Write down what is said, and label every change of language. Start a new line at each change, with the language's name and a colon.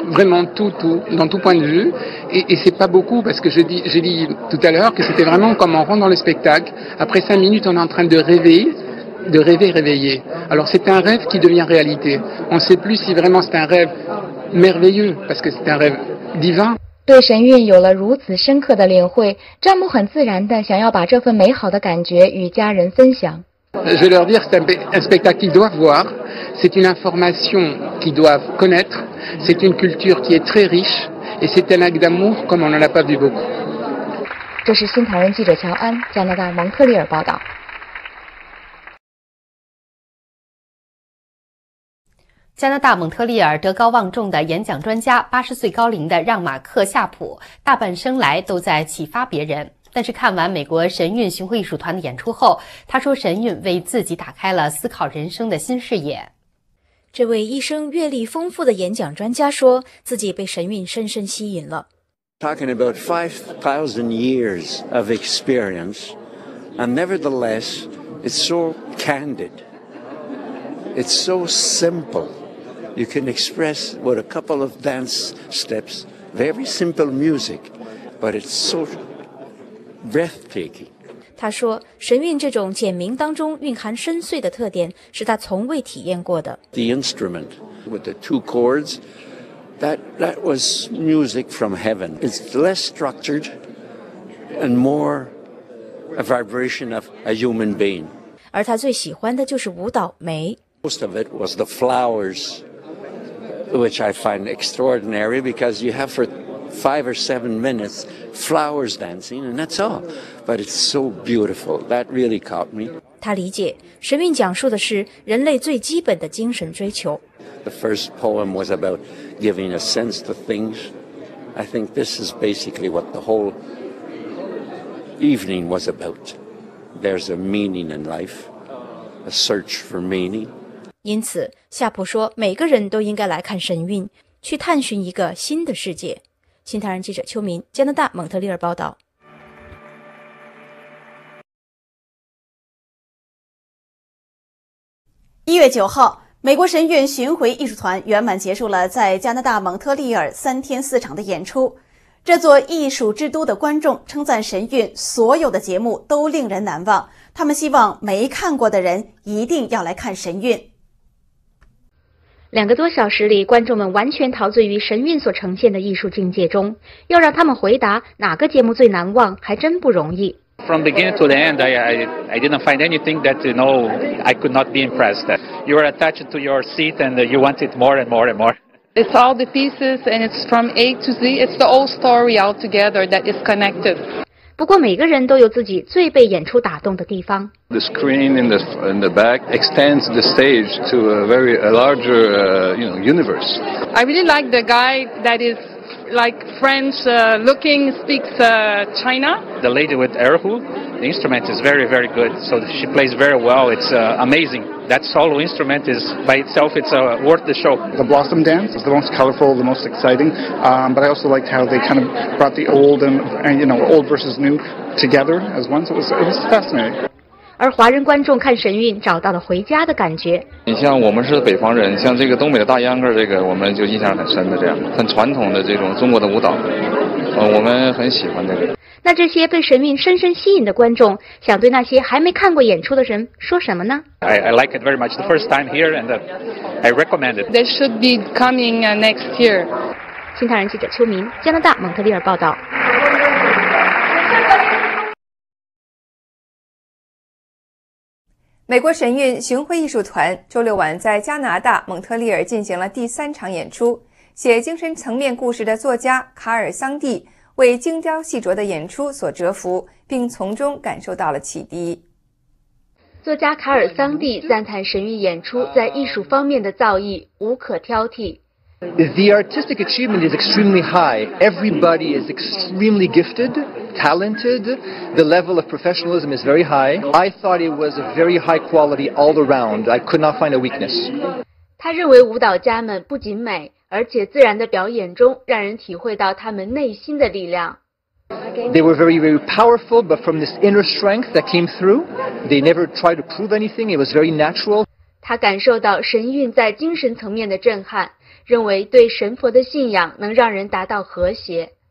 French: Vraiment, tout, dans tout point de vue. Et c'est pas beaucoup, parce que j'ai dit tout à l'heure que c'était vraiment comme on rentre dans le spectacle. Après 5 minutes, on est en train de rêver réveillé. Alors c'est un rêve qui devient réalité. On ne sait plus si vraiment c'est un rêve merveilleux, parce que c'est un rêve divin.
Chinese: 对神韵有了如此深刻的领会，詹姆很自然地想要把这份美好的感觉与家人分享。
French: Je vais leur dire, c'est un spectacle qu'ils doivent voir, c'est une information qu'ils doivent connaître, c'est une culture qui est très riche, et c'est un acte d'amour comme on n'en a pas vu beaucoup.
Chinese: 这是新唐人记者乔安，加拿大蒙特利尔报道。加拿大蒙特利尔德高望重的演讲专家80岁高龄的让·马克·夏普大半生来都在启发别人，但是看完美国神韵巡回艺术团的演出后，他说神韵为自己打开了思考人生的新视野。这位一生阅历丰富的演讲专家说自己被神韵深深吸引了。
English: Talking about 5,000 years of experience and nevertheless it's so candid It's so simple. You can express with a couple of dance steps, very simple music, but it's so breathtaking.
Chinese: 他说，神韵这种简明当中蕴含深邃的特点是他从未体验过的。
English: The instrument with the two chords, that was music from heaven. It's less structured and more a vibration of a human being.
Chinese: 而他最喜欢的就是舞蹈梅。
English: Most of it was the flowers, which I find extraordinary because you have for 5 or 7 minutes flowers dancing and that's all. But it's so beautiful. That really caught me.
Chinese: 他理解，神韵讲述的是人类最基本的精神追求。
English: The first poem was about giving a sense to things. I think this is basically what the whole evening was about. There's a meaning in life, a search for meaning.
Chinese: 因此，夏普说，每个人都应该来看神韵，去探寻一个新的世界。新唐人记者邱明，加拿大蒙特利尔报道。 1月9号，美国神韵巡回艺术团圆满结束了在加拿大蒙特利尔3天4场的演出。这座艺术之都的观众称赞神韵所有的节目都令人难忘，他们希望没看过的人一定要来看神韵。 2个多小时里，观众们完全陶醉于神韵所呈现的艺术境界中。要让他们回答哪个节目最难忘，还真不容易。
English: From beginning to the end, I didn't find anything that, you know, I could not be impressed. You were attached to your seat and you want it more and more and more. It's all the pieces and it's from A to Z. It's the whole story altogether that is connected.
Chinese: 不过每个人都有自己最被演出打动的地方。
English: The screen in the back extends the stage to a larger, you know, universe. I really like the guy that is... like French looking, speaks China. The lady with Erhu, the instrument is very, very good. So she plays very well. It's amazing. That solo instrument is by itself, it's worth the show. The Blossom Dance is the most colorful, the most exciting. But I also liked how they kind of brought the old and, you know, old versus new together as one. So it was fascinating.
Chinese: 而华人观众看神韵找到了回家的感觉。你像我们是北方人，像这个东北的大秧歌，这个我们就印象很深的，这样很传统的这种中国的舞蹈，我们很喜欢这个。那这些被神韵深深吸引的观众想对那些还没看过演出的人说什么呢？
English: I like it very much, the first time here and I recommend it. They should be coming next year.
Chinese: 新唐人记者邱明，加拿大蒙特利尔报道。美国神韵巡回艺术团周六晚在加拿大蒙特利尔进行了第3场演出，写精神层面故事的作家卡尔·桑蒂为精雕细琢的演出所折服，并从中感受到了启迪。作家卡尔·桑蒂赞叹神韵演出在艺术方面的造诣无可挑剔。
English: The artistic achievement is extremely high. Everybody is extremely gifted, talented. The level of professionalism is very high. I thought it was a very high quality all around. I could not find a weakness.
Chinese: 他认为舞蹈家们不仅美，而且自然的表演中让人体会到他们内心的力量。
English: They were very, very powerful, but from this inner strength that came through, they never tried to prove anything. It was very natural.
Chinese: 他感受到神韵在精神层面的震撼。认为对神佛的信仰能让人达到和谐。